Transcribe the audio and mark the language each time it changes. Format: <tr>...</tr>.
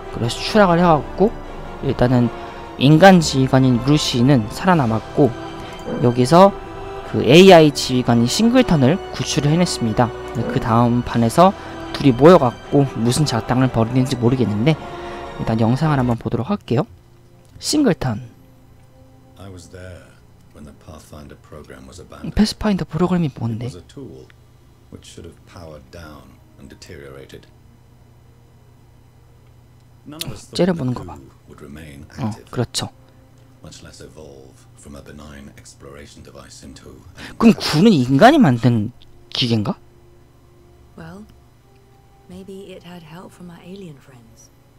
<ko>그래서 추락을 해갖고 일단은 인간 지휘관인 루시는 살아남았고 여기서 그 AI 지휘관인 싱글턴을 구출을 해냈습니다. 그 다음 판에서 둘이 모여갖고 무슨 작당을 벌이는지 모르겠는데 일단 영상을 한번 보도록 할게요. 싱글턴.</ko> <en>I was there when the Pathfinder program was abandoned.</en> <ko>패스파인더 프로그램이 뭔데?</ko> <en>It was a tool which should have powered down and deteriorated. None of us thought the crew would remain active.</en> <ko>그렇죠.</ko> <en>Much less evolve from a benign exploration device into.</en> <ko>그럼 구는 인간이 만든 기계인가?</ko> <en>Well, maybe it had help from our alien friends.</en>